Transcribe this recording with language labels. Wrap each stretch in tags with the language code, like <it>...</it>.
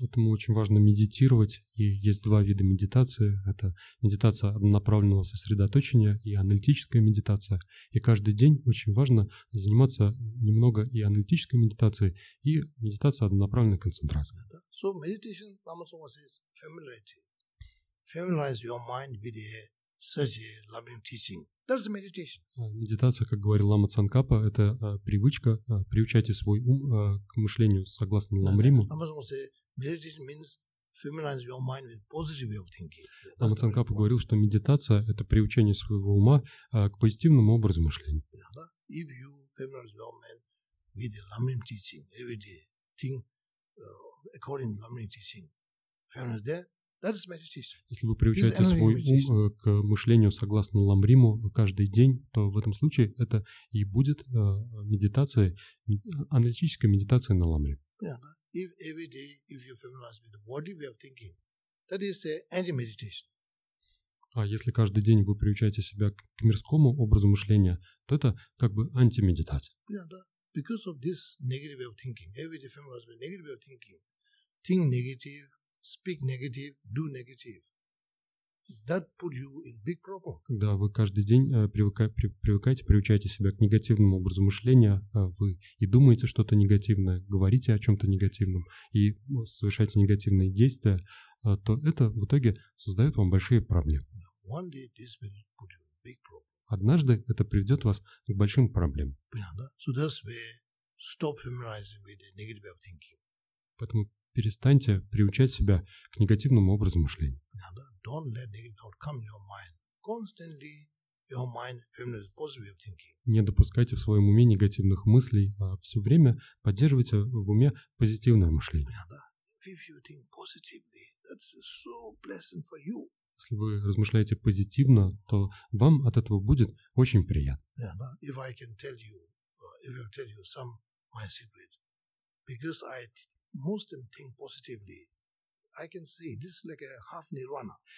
<ru>Поэтому очень важно медитировать. И есть два вида медитации. Это медитация однонаправленного сосредоточения и аналитическая медитация. И каждый день очень важно заниматься немного и аналитической медитацией, и медитацией однонаправленной концентрации.</ru> <en>So meditation, Lama Tsongkhwa says, familiarity. Familiarize your mind with a such a loving teaching. That's the meditation.</en> <ru>Медитация, как говорил Лама Цанкапа, это привычка, приучайте свой ум к мышлению согласно ламриму.</ru> <en>Lama Tsongkhwa says, meditation means familiarize your mind with positive way of thinking.</en> <ru>Лама Цанкапа говорил, что медитация это приучение своего ума к позитивному образу мышления.</ru> <en>If you familiarize your mind with the ламрим teaching, every day, think according to ламрим teaching, familiarize there, That is meditation.</en> <ru>Если вы приучаете свой ум к мышлению согласно ламриму каждый день, то в этом случае это и будет медитация, аналитическая медитация на ламри.</ru> <en>If every day, if you familiarize with the body, we are thinking, that is anti-meditation.</en> <ru>А если каждый день вы приучаете себя к мирскому образу мышления, то это как бы анти-медитация.</ru> <en>Yeah, because of this negative way of thinking, every day familiarize with negative way of thinking, think negative, speak negative, do negative. That put you in big problem.</en> <ru>Когда вы каждый день привыкаете, приучаете себя к негативному образу мышления, вы и думаете что-то негативное, говорите о чем-то негативном и совершаете негативные действия, то это в итоге создает вам большие проблемы.</ru> <en>One day this will put you in big problem.</en> <ru>Однажды это приведет вас к большим проблемам.</ru> <en>So that's where stop familiarizing with the negative thinking.</en> <ru>Поэтому перестаньте приучать себя к негативному образу мышления.</ru> <en>Don't let negative thought come in your mind. Constantly your mind familiarizes positive thinking.</en> <ru>Не допускайте в своем уме негативных мыслей, а все время поддерживайте в уме позитивное мышление.</ru> <en>If you think positively, that's so pleasant for you.</en> <ru>Если вы размышляете позитивно, то вам от этого будет очень приятно.</ru> <en>If I can tell you, if I tell you some my secret, because I most think positively. I can see this is like a half nirvana.</en>